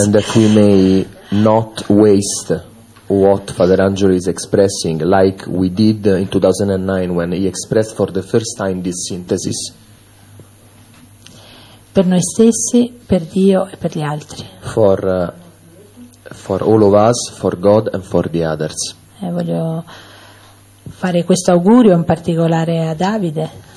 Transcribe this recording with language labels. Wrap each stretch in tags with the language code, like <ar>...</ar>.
<en>And that we may not waste what Father Angelo is expressing, like we did in 2009 when he expressed for the first time this synthesis.</en> <it>Per noi stessi, per Dio e per gli altri.</it> <en>For all of us, for God and for the others.</en> <it>Voglio fare questo augurio in particolare a Davide.</it>